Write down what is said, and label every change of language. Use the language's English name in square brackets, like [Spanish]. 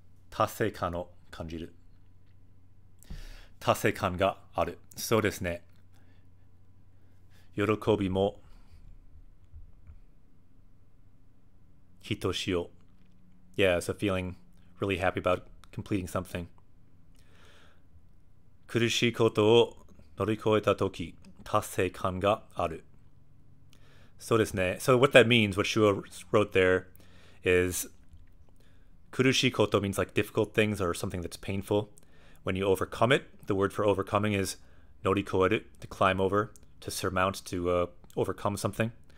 [Japanese] Tase kano, kanjiru. Tase kan ga aru. So desu ne. 喜びもひとしお。 [English] Yeah, so feeling really happy about completing something. [Japanese] 苦しいことを乗り越えたとき達成感がある。そうですね。 [English] So what that means, what Shuo wrote there is 苦しいこと means like difficult things or something that's painful. When you overcome it, the word for overcoming is 乗り越える, to climb overto surmount, to overcome something.